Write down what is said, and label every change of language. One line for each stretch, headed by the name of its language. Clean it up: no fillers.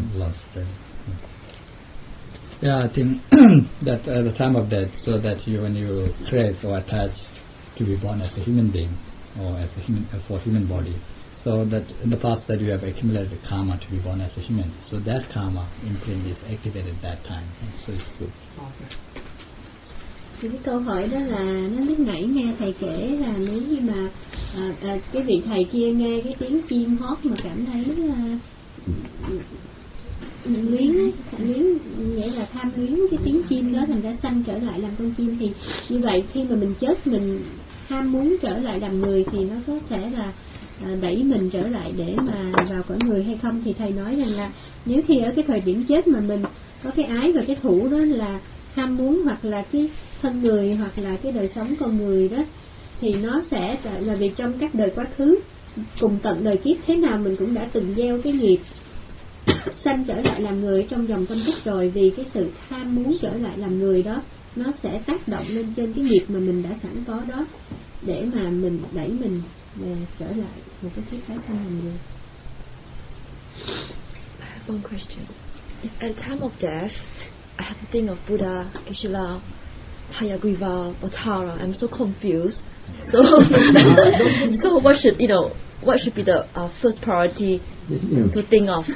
English: la sa Yeah, I think that at the time of death, so that you, when you crave or attach to be born as a human being, or as a human, for human body, so that in the past that you have accumulated karma to be born as a human, so that karma imprint is activated at that time, so it's good.
Vietnamese: Thì cái câu hỏi đó là nó lúc nãy nghe thầy kể là nếu như mà cái vị thầy kia nghe cái tiếng chim hót mà cảm thấy luyến nghĩa là tham luyến cái tiếng chim đó, thành ra sanh trở lại làm con chim, thì như vậy khi mà mình chết mình tham muốn trở lại làm người thì nó có sẽ là đẩy mình trở lại để mà vào cõi người hay không? Thì thầy nói rằng là nếu khi ở cái thời điểm chết mà mình có cái ái và cái thủ đó là ham muốn, hoặc là cái thân người, hoặc là cái đời sống con người đó, thì nó sẽ là vì trong các đời quá khứ cùng tận đời kiếp thế nào mình cũng đã từng gieo cái nghiệp sanh trở lại làm người trong dòng tâm thức rồi, vì cái sự tham muốn trở lại làm người đó nó sẽ tác động lên trên cái nghiệp mà mình đã sẵn có đó, để mà mình đẩy mình trở lại một cái kiếp tái sinh làm người.
English: I have one question. At the time of death, I have a thing of Buddha, Kishila, Hayagriva, Bhattara. I'm so confused. So, so what should, you know, what should be the first priority to think of?